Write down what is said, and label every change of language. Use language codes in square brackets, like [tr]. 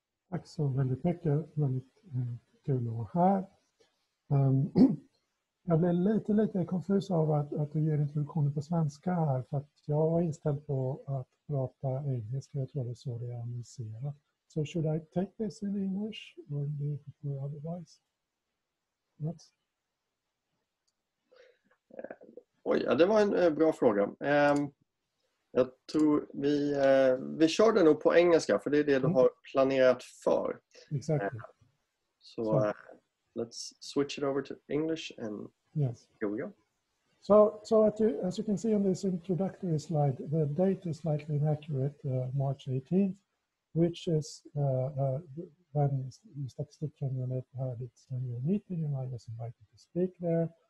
[sv] Tack så väldigt mycket. Väldigt kul att vara här. Jag blev lite konfus av att du ger introduktionen på svenska här. För att jag var inställd på att prata engelska. Jag tror det är så det är annonserat. [en] So should I take this in English or do you prefer otherwise? What? [sv] Oj, det var en bra fråga. Jag tror vi kör det nog på engelska för det är det du har planerat för. [en] Exactly. So let's switch it over to English and yes. Here we go. So as you can see on this introductory slide, the date is slightly inaccurate, March 18th, which is when the Statistics Unit had its annual meeting and I was invited to speak there.